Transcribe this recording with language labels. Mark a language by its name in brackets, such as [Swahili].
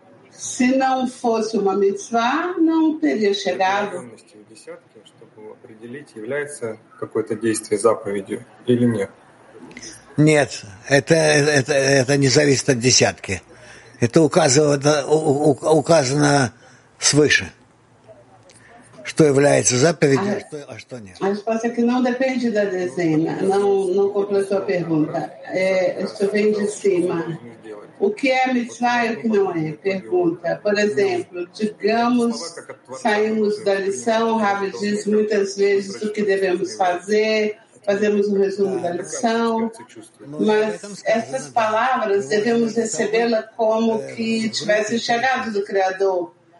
[Portuguese] Se não fosse uma mitzvah, não teria chegado. [Russian] Определить, является какое-то действие заповедью или нет? Нет, это не зависит от десятки. Это указано свыше, что является заповедью, а что нет. [Portuguese] A resposta é que não depende da dezena, não completou a pergunta. Isso vem de cima. O que é mitzvah e o que não é? Pergunta. Por exemplo, digamos, saímos da lição, o Rabi diz muitas vezes o que devemos fazer, fazemos um resumo da lição, mas essas palavras devemos recebê-las como que tivessem chegado do Criador.